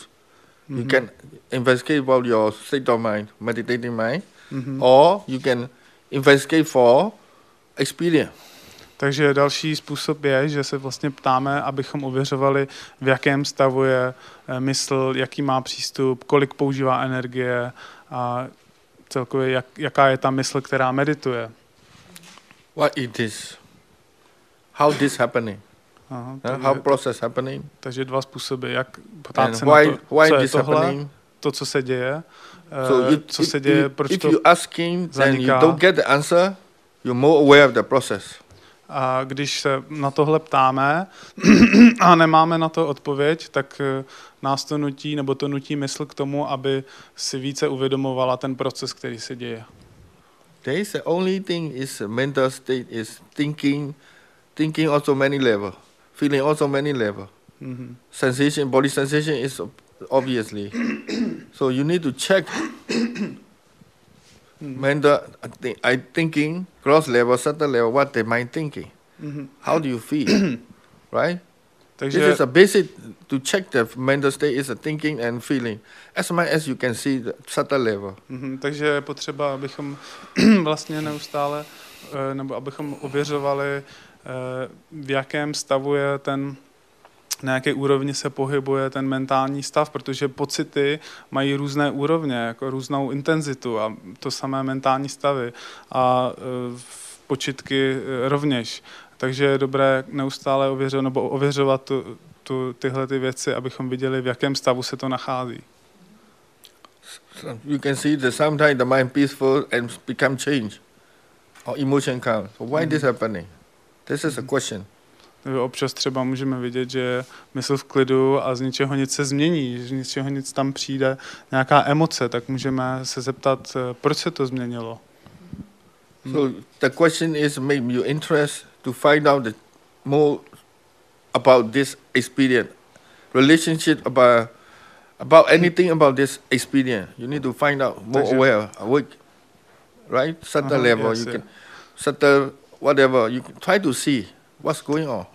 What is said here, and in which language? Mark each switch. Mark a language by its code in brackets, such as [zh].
[en] Mm-hmm. You can investigate about your state of mind, meditating mind, or you can investigate for experience. [cs] Takže další způsob je, že se vlastně ptáme, abychom ověřovali, v jakém stavu je mysl, jaký má přístup, kolik používá energie a celkově jaká je ta mysl, která medituje. [en] What is this? How this happening? How process happening? [cs] Takže dva způsoby, jak ptát se na to, [en] why [cs] co je tohle, [en] happening? [cs] To, co se děje, co se děje, proč to zaniká. [en] If you don't get the answer, you're more aware of the process. [cs] A když se na tohle ptáme a nemáme na to odpověď, tak nás to nutí, nebo to nutí mysl k tomu, aby si více uvědomovala ten proces, který se děje. [en] There is the only thing is mental state is thinking also many level, feeling also many level. Mm-hmm. Sensation, body sensation is obviously. So you need to check mental thinking, cross level, subtle level, what the mind thinking. Mm-hmm. How do you feel, right? [cs] Takže [en] this is a basic to check the mental state is a thinking and feeling. As much as you can see the subtle level. Mm-hmm. [cs] Takže je potřeba, abychom vlastně neustále, nebo abychom ověřovali, v jakém stavu je ten, na jaké úrovni se pohybuje ten mentální stav, protože pocity mají různé úrovně, jako různou intenzitu a to samé mentální stavy a počitky rovněž. Takže je dobré neustále ověřovat tyhle ty věci, abychom viděli, v jakém stavu se to nachází. [en] So you can see that sometimes the mind peaceful and become change. Or emotion comes. So why this happening? This is a question. [cs] Občas třeba můžeme vidět, že mysl v klidu a z ničeho nic se změní, z ničeho nic tam přijde, nějaká emoce, tak můžeme se zeptat, proč se to změnilo. [en] So the question is make you interest to find out the more about this experience, relationship about anything about this experience. You need to find out more aware, awake, right? Subtle level, yes, you can subtle whatever. You can try to see what's going on.